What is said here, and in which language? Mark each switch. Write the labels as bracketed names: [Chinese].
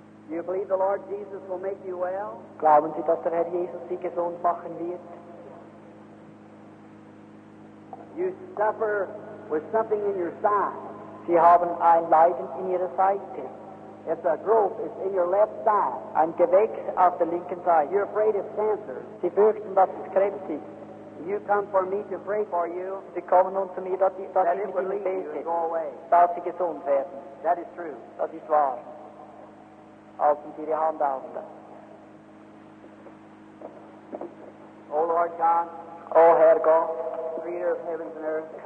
[English] Do you believe the Lord Jesus will make you well? [German] Glauben Sie, dass der Herr Jesus Sie gesund machen wird? [English] You suffer with something in your side. [German] Sie haben ein Leiden in Ihrer Seite. [English] If a growth is in your left side. [German] Ein Gewächs auf der linken Seite. [English] You're afraid of cancer. [German] Sie fürchten, dass es Krebs ist. [English] You come for me to pray for you. [German] Sie kommen nun zu mir, dass ich mit Ihnen bete. Dass Sie gesund werden. [English] That is true. [German] Das ist wahr. Halten Sie Ihre Hand auf. [English] Oh Lord God. [German] Oh Herr Gott. [English] Earth.